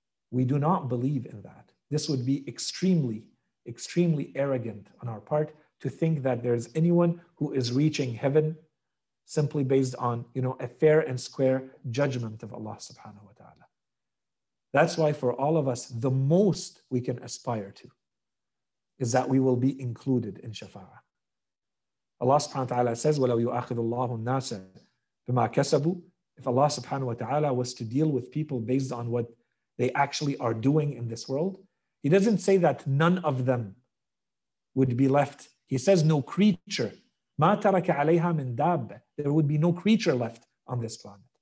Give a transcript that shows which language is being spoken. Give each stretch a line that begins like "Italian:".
English: We do not believe in that. This would be extremely, extremely arrogant on our part to think that there's anyone who is reaching heaven simply based on, you know, a fair and square judgment of Allah subhanahu wa ta'ala. That's why for all of us, the most we can aspire to is that we will be included in shafa'a. Allah subhanahu wa ta'ala says,
Arabic: وَلَوْ يُؤَخِذُ اللَّهُ النَّاسَ بِمَا كَسَبُوا.
English: If Allah subhanahu wa ta'ala was to deal with people based on what they actually are doing in this world, He doesn't say that none of them would be left. He says no creature.
Arabic: مَا تَرَكَ عَلَيْهَا مِنْ دَابَ.
English: There would be no creature left on this planet.